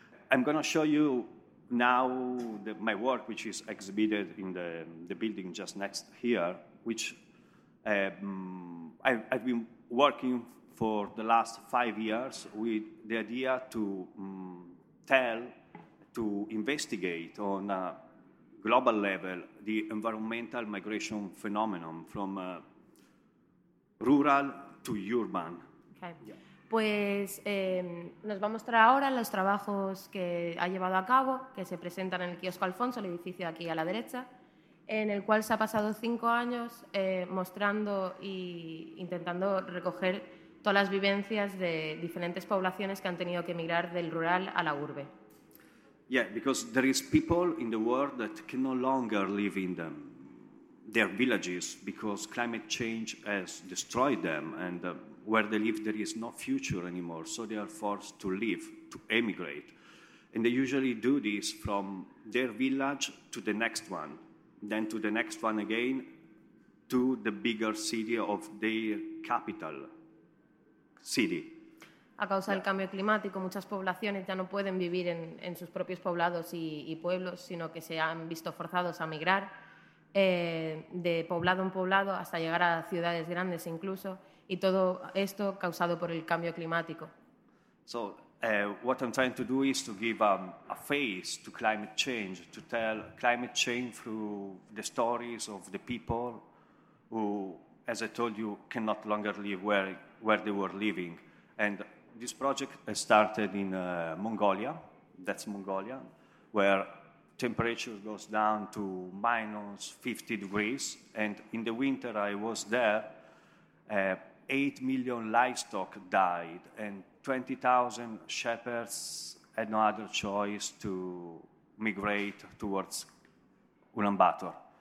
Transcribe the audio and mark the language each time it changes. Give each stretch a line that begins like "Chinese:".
English: I'm going to show you now my work, which is exhibited in the building just next here, which I've been working for the last 5 years with the idea to tell, to investigate on a global level the environmental migration phenomenon from rural to urban. Okay. Yeah.
Spanish: Pues nos va a mostrar ahora los trabajos que ha llevado a cabo, que se presentan en el kiosco Alfonso, el edificio aquí a la derecha, en el cual se ha pasado 5 años mostrando e intentando recoger todas las vivencias de diferentes poblaciones que han tenido que emigrar del rural a la urbe.
English: Yeah, because there is people in the world that can no longer live in them. Their villages, because climate change has destroyed them, and where they live there is no future anymore, so they are forced to leave, to emigrate. And they usually do this from their village to the next one, then to the next one again, to the bigger city of their capital city.
Spanish: A causa del cambio climático, muchas poblaciones ya no pueden vivir en sus propios poblados y pueblos, sino que se han visto forzados a migrar. De poblado en poblado hasta llegar a ciudades grandes incluso, y todo esto causado por el cambio climático.
English: So, what I'm trying to do is to give a face to climate change, to tell climate change through the stories of the people who, as I told you, cannot longer live where they were living. And this project has started in Mongolia, that's Mongolia, where temperature goes down to minus 50 degrees, and in the winter I was there, 8 million livestock died, and 20,000 shepherds had no other choice to migrate towards Ulaanbaatar.